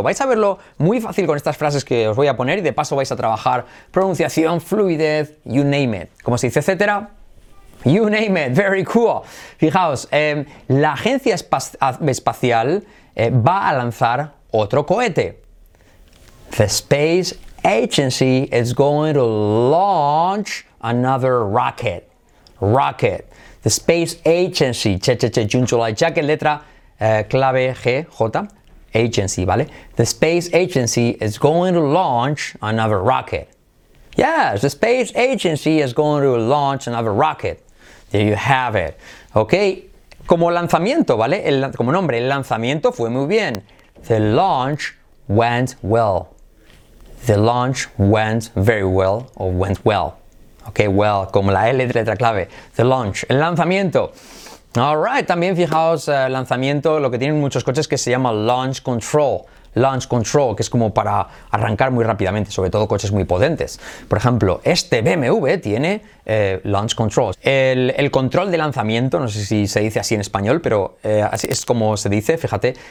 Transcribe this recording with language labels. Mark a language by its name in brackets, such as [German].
[Spanish] Vais a verlo muy fácil con estas frases que os voy a poner, y de paso vais a trabajar pronunciación, fluidez, [English] you name it. [Spanish] Como se dice, etcétera. [English] You name it, very cool. [Spanish] Fijaos, la agencia espacial va a lanzar otro cohete. [English] The space agency is going to launch another rocket. Rocket. The space agency, June, July, [Spanish] ya que letra clave [English] G, J, agency, ¿vale? The space agency is going to launch another rocket. Yes, the space agency is going to launch another rocket. There you have it. Ok, [Spanish] como lanzamiento, [English] ¿vale? [Spanish] Como nombre, el lanzamiento fue muy bien. [English] The launch went well. The launch went very well or went well. [Spanish] Ok, well, como la L de letra clave. The launch, el lanzamiento. Alright, también fijaos, lanzamiento, lo que tienen muchos coches que se llama launch control. Launch control, que es como para arrancar muy rápidamente, sobre todo coches muy potentes. Por ejemplo, este BMW tiene launch control. El control de lanzamiento, no sé si se dice así en español, pero así es como se dice, fíjate.